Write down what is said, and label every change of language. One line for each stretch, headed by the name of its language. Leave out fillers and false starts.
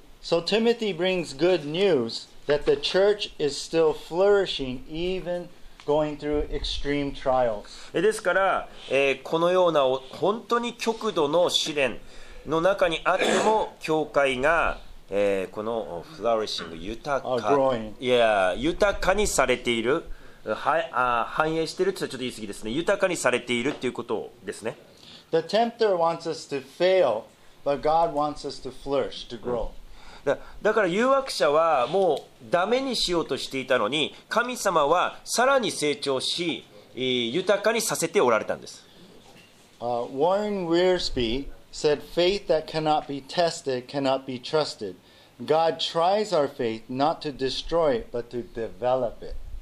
English: So Timothy brings good news that the church is still flourishing even. Going through extreme trials.
Japanese: ですから、このような本当に極度の試練の中にあっても教会が、この flourishing 豊か、
English: growing.
Japanese: いや豊かにされている、繁栄しているというのはちょっと言い過ぎですね。豊かにされているということですね。
English: The tempter wants us to fail, but God wants us to flourish, to grow.、
Japanese: うん、だから誘惑者はもうダメにしようとしていたのに、神様はさらに成長し、豊かにさせておられたんです。
English: Warren Wiersbe said, faith that cannot be tested cannot be trusted. God tries our faith not to destroy it, but to develop it.